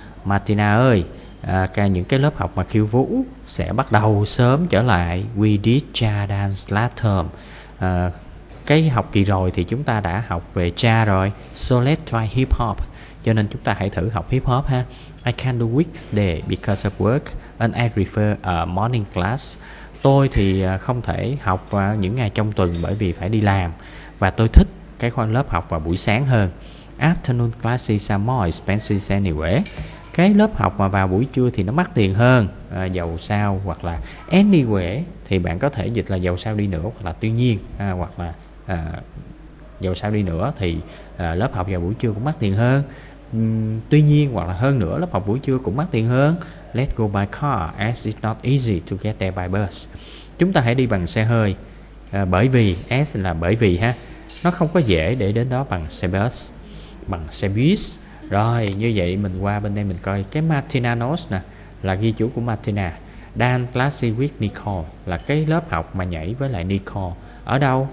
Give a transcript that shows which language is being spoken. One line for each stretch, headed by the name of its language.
Vietnamese: Martina ơi, những cái lớp học mà khiêu vũ sẽ bắt đầu sớm trở lại.
English: We did cha dance last term.
Vietnamese: Cái học kỳ rồi thì chúng ta đã học về cha rồi.
English: So let's try hip hop.
Vietnamese: Cho nên chúng ta hãy thử học hip hop ha.
English: I can't do weekday because of work and I prefer a morning class.
Vietnamese: Tôi thì không thể học những ngày trong tuần bởi vì phải đi làm. Và tôi thích cái khoa lớp học vào buổi sáng hơn.
English: Afternoon classes are more expensive anyway.
Vietnamese: Cái lớp học mà vào buổi trưa thì nó mắc tiền hơn. Dầu sao hoặc là anywhere thì bạn có thể dịch là dầu sao đi nữa hoặc là tuy nhiên hoặc là dù sao đi nữa thì lớp học vào buổi trưa cũng mắc tiền hơn. Tuy nhiên hoặc là hơn nữa, lớp học buổi trưa cũng mắc tiền hơn.
English: Let's go by car as it's not easy to get there by bus.
Vietnamese: Chúng ta hãy đi bằng xe hơi, bởi vì, as là bởi vì ha, nó không có dễ để đến đó bằng xe bus, bằng xe bus. Rồi, như vậy mình qua bên đây mình coi cái Martina Notes nè, là ghi chú của Martina. Dance Classy with Nicole là cái lớp học mà nhảy với lại Nicole. Ở đâu?